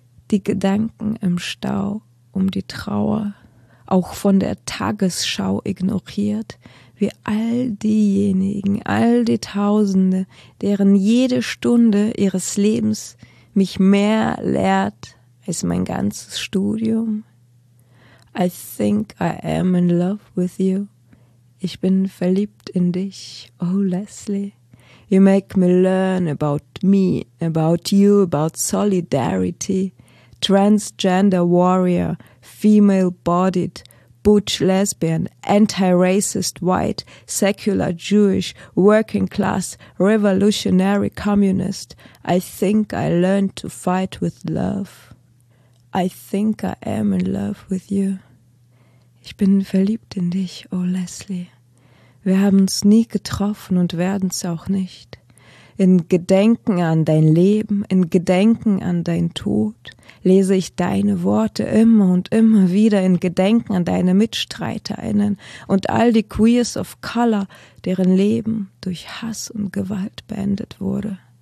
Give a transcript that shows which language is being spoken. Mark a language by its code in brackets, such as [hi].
[de] die Gedanken im Stau um die Trauer, auch von der Tagesschau ignoriert, wie all diejenigen, all die Tausende, deren jede Stunde ihres Lebens mich mehr lehrt als mein ganzes Studium. [en] I think I am in love with you. [de] Ich bin verliebt in dich, oh Leslie. [en] You make me learn about me, about you, about solidarity. Transgender warrior, female bodied, butch lesbian, anti-racist white, secular Jewish, working class, revolutionary communist, I think I learned to fight with love. I think I am in love with you. [de] Ich bin verliebt in dich, oh Leslie. Wir haben's nie getroffen und werden's auch nicht. In Gedenken an dein Leben, in Gedenken an dein Tod, lese ich deine Worte immer und immer wieder in Gedenken an deine MitstreiterInnen und all die Queers of Color, deren Leben durch Hass und Gewalt beendet wurde.